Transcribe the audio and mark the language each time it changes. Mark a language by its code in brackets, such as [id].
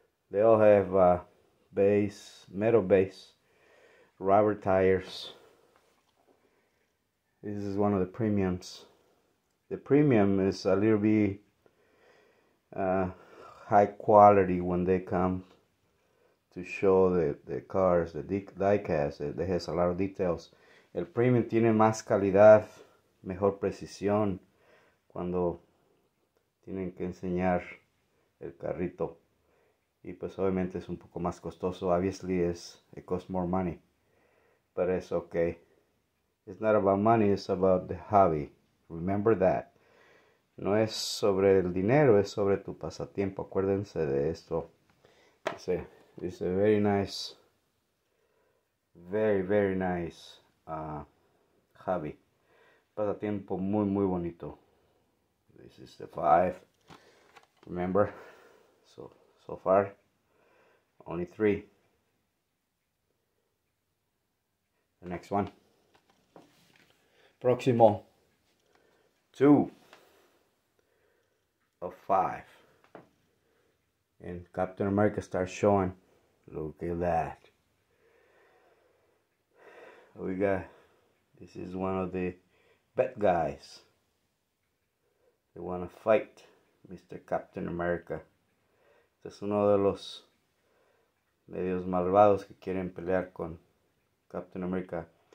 [en] They all have base, metal base, rubber tires. This is one of the premiums. The premium is a little bit high quality when they come to show the cars, the diecast. It has a lot of details. [es] El premium tiene más calidad, mejor precisión cuando tienen que enseñar el carrito. Y pues obviamente es un poco más costoso. [en] Obviously, it costs more money. But it's okay. It's not about money, it's about the hobby. Remember that. [es] No es sobre el dinero, es sobre tu pasatiempo. Acuérdense de esto. Dice, [en] it's a very nice, very, very nice hobby. [es] Pasatiempo muy, muy bonito. [en] This is the five. Remember? So far, only three. The next one. [es] Próximo. [en] Two of five. And Captain America starts showing. Look at that. We got, this is one of the bad guys. They want to fight Mr. Captain America. [es] Este es uno de los medios malvados que quieren pelear con Captain America.